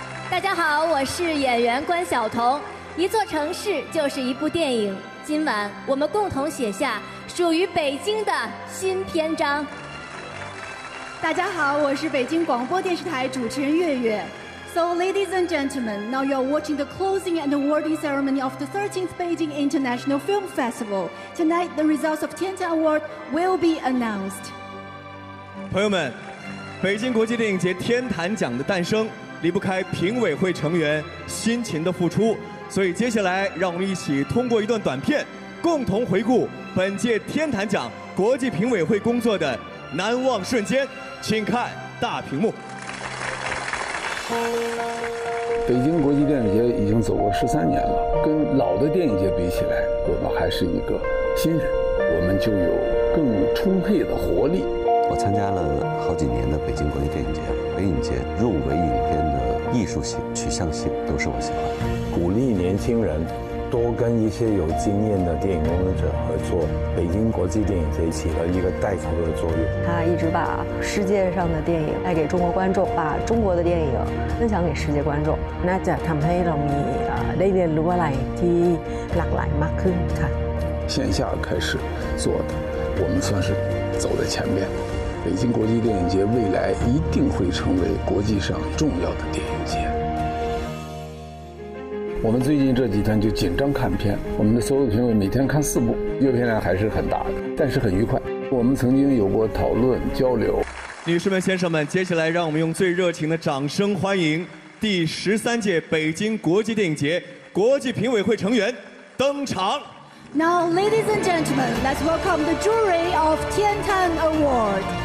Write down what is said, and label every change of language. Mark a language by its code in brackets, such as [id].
[zh] 大家好，我是演员关晓彤。一座城市就是一部电影，今晚我们共同写下属于北京的新篇章。大家好，我是北京广播电视台主持人月月。 [en] So, ladies and gentlemen, now you are watching the closing and awarding ceremony of the 13th Beijing International Film Festival. Tonight, the results of Tian Tian Award will be announced. [zh] 朋友们，北京国际电影节天坛奖的诞生离不开评委会成员辛勤的付出，所以接下来让我们一起通过一段短片，共同回顾本届天坛奖国际评委会工作的难忘瞬间，请看大屏幕。北京国际电影节已经走过13年了，跟老的电影节比起来，我们还是一个新人，我们就有更充沛的活力。我参加了好几年的北京国际电影节，北影节入围影片的艺术性、取向性都是我喜欢的。鼓励年轻人多跟一些有经验的电影工作者合作，北京国际电影节起了一个带头的作用。他一直把世界上的电影带给中国观众，把中国的电影分享给世界观众。那 [th] จะทำให้เรามีได้เรียนรู้อะไรที่หลากหลายมากขึ้นค่ะ。 [zh] 线下开始做的，我们算是走在前面。北京国际电影节未来一定会成为国际上重要的电影节。我们最近这几天就紧张看片，我们的所有评委每天看4部，阅片量还是很大的，但是很愉快。我们曾经有过讨论交流。女士们、先生们，接下来让我们用最热情的掌声欢迎第13届北京国际电影节国际评委会成员登场。 [en] Now, ladies and gentlemen, let's welcome the jury of Tian Tan Award.